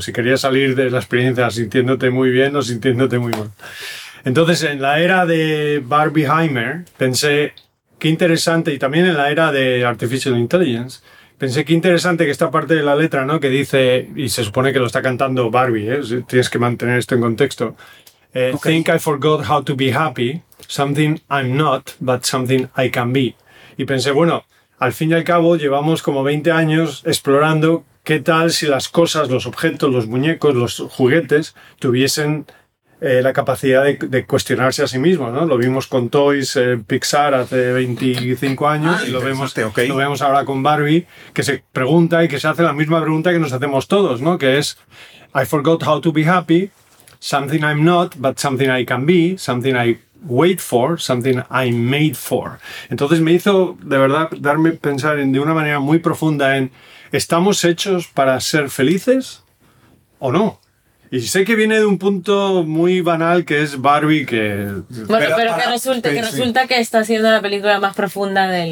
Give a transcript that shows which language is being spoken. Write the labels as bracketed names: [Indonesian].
[Spanish] Si querías salir de la experiencia sintiéndote muy bien o sintiéndote muy mal. Entonces, en la era de Barbieheimer, pensé qué interesante, y también en la era de Artificial Intelligence, pensé qué interesante que esta parte de la letra, ¿no? Que dice, y se supone que lo está cantando Barbie, ¿eh? Tienes que mantener esto en contexto. [English] Okay. Think I forgot how to be happy, something I'm not, but something I can be. [Spanish] Y pensé, bueno, al fin y al cabo llevamos como 20 años explorando qué tal si las cosas, los objetos, los muñecos, los juguetes tuviesen la capacidad de cuestionarse a sí mismo, ¿no? Lo vimos con Toys, Pixar hace 25 años y lo vemos ahora con Barbie, que se pregunta y que se hace la misma pregunta que nos hacemos todos, ¿no? Que es, [English] I forgot how to be happy, something I'm not, but something I can be, something I wait for, something I'm made for. [Spanish] Entonces me hizo, de verdad, darme pensar de una manera muy profunda en, ¿estamos hechos para ser felices o no? Y sé que viene de un punto muy banal, que es Barbie, que... Bueno, pero para... que resulta que está siendo la película más profunda del...